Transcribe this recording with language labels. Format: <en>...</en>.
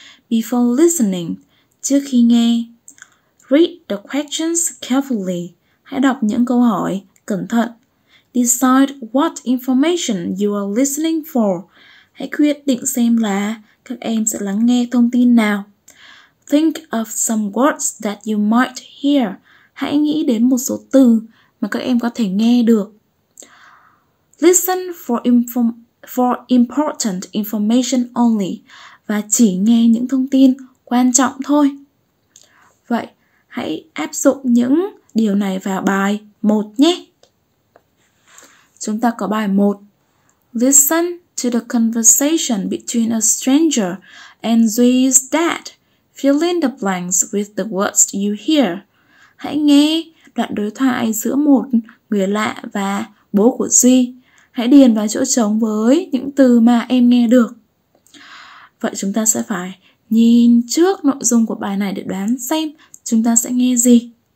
<en>Before listening,</en> <vi>trước khi nghe.</vi> <en>Read the questions carefully.</en> <vi>Hãy đọc những câu hỏi cẩn thận.</vi> <en>Decide what information you are listening for.</en> <vi>Hãy quyết định xem là các em sẽ lắng nghe thông tin nào.</vi> <en>Think of some words that you might hear.</en> <vi>Hãy nghĩ đến một số từ mà các em có thể nghe được.</vi> <en>Listen for important information only.</en> <vi>Và chỉ nghe những thông tin quan trọng thôi. Vậy, hãy áp dụng những điều này vào bài 1 nhé. Chúng ta có bài 1.</vi> <en>Listen to the conversation between a stranger and Zui's dad. Fill in the blanks with the words you hear.</en> <vi>Hãy nghe đoạn đối thoại giữa một người lạ và bố của Duy. Hãy điền vào chỗ trống với những từ mà em nghe được. Vậy chúng ta sẽ phải nhìn trước nội dung của bài này để đoán xem chúng ta sẽ nghe gì.</vi>